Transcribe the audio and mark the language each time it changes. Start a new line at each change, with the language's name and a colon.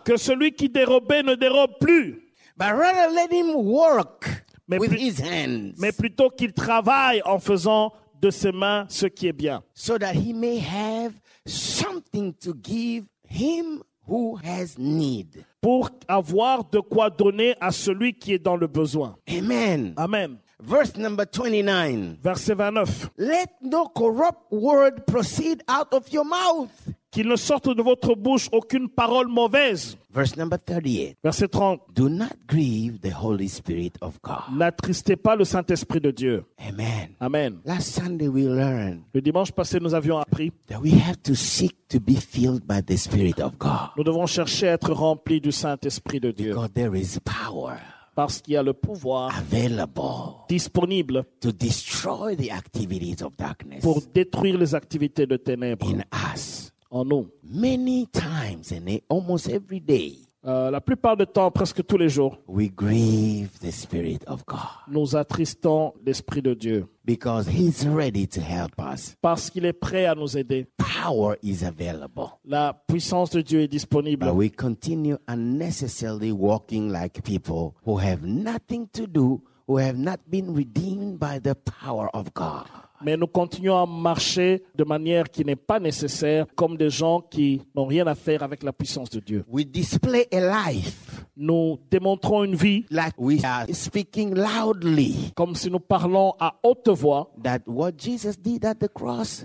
French: Que celui qui dérobait ne dérobe plus.
English: But rather let him work. With his hands.
French: Mais plutôt qu'il travaille en faisant de ses mains ce qui est bien.
English: So that he may have something to give him who has need.
French: Pour avoir de quoi donner à celui qui est dans le besoin. Amen. Amen.
English: Verse number 29.
French: Verset 29.
English: Let no corrupt word proceed out of your mouth.
French: Qu'il ne sorte de votre bouche aucune parole mauvaise.
English: Verse number 38.
French: Verset 30.
English: Do not grieve the Holy Spirit of God.
French: N'attristez pas le Saint-Esprit de Dieu. Amen. Amen.
English: Last Sunday we learned.
French: Le dimanche passé nous avions appris
English: that we have to seek to be filled by the Spirit of God.
French: Nous devons chercher à être remplis du Saint-Esprit de Dieu.
English: Because there is power.
French: Parce qu'il y a le pouvoir
English: available
French: disponible
English: to destroy the activities of darkness
French: pour détruire les activités de ténèbres
English: in us.
French: En nous.
English: Many times and almost every day,
French: la plupart du temps, presque tous les jours,
English: we grieve the Spirit of God.
French: Nous attristons l'Esprit de Dieu.
English: Because he's ready to help us.
French: Parce qu'il est prêt à nous aider.
English: Power is available.
French: La puissance de Dieu est disponible.
English: But we continue unnecessarily walking like people who have nothing to do, who have not been redeemed by the power of God.
French: Mais nous continuons à marcher de manière qui n'est pas nécessaire, comme des gens qui n'ont rien à faire avec la puissance de Dieu.
English: We display a life.
French: Nous démontrons une vie
English: like we are speaking loudly,
French: comme si nous parlons à haute voix
English: that what Jesus did at the cross